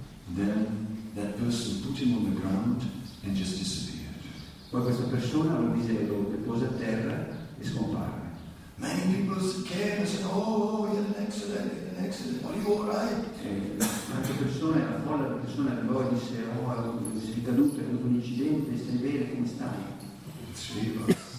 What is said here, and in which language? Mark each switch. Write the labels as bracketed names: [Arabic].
[English] Then that person put him on the ground and just disappeared. [Italian] Poi questa persona lo depose a terra e scomparve. [English] Many people came and said, "Oh, you had an accident. Are you all right?" [Italian] La folla arrivò e disse, "Oh, sei caduto, hai avuto un incidente, stai bene, come stai?"